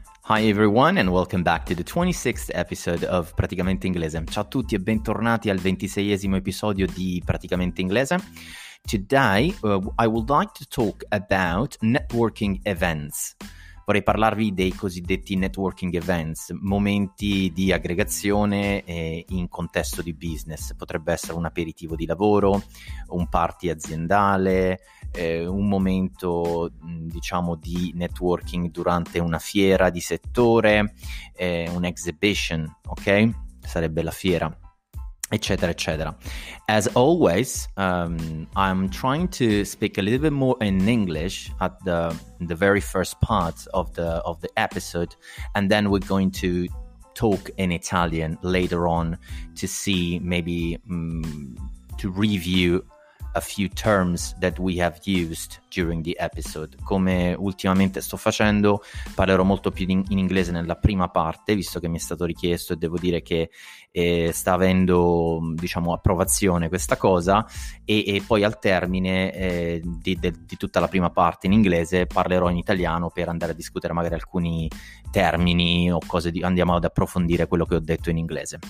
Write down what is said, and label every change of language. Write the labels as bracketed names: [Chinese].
[English] Hi everyone and welcome back to the 26th episode of Praticamente Inglese. [Italian] Ciao a tutti e bentornati al 26esimo episodio di Praticamente Inglese. [English] Today I would like to talk about networking events. [Italian] Vorrei parlarvi dei cosiddetti networking events, momenti di aggregazione in contesto di business. Potrebbe essere un aperitivo di lavoro, un party aziendale, un momento, diciamo, di networking durante una fiera di settore, un exhibition, ok? Sarebbe la fiera, eccetera, eccetera. [English] As always, I'm trying to speak a little bit more in English at the very first part of the episode, and then we're going to talk in Italian later on to see maybe to review a few terms that we have used during the episode. [Italian] Come ultimamente sto facendo, parlerò molto più in inglese nella prima parte, visto che mi è stato richiesto, e devo dire che sta avendo, diciamo, approvazione questa cosa, e poi al termine di tutta la prima parte in inglese parlerò in italiano per andare a discutere magari alcuni termini o cose andiamo ad approfondire quello che ho detto in inglese.